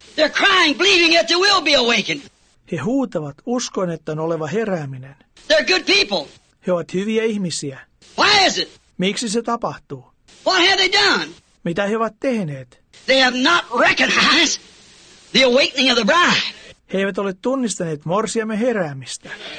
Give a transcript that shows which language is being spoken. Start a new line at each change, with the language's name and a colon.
English: They're crying, believing that there will be awakening.
Finnish: He huutavat, uskon, että on oleva herääminen.
English: They're good people.
Finnish: He ovat hyviä ihmisiä.
English: Why is it?
Finnish: Miksi se tapahtuu?
English: What have they done?
Finnish: Mitä he ovat tehneet?
English: They have not recognized the awakening of the bride.
Finnish: He eivät ole tunnistaneet morsiamme heräämistä.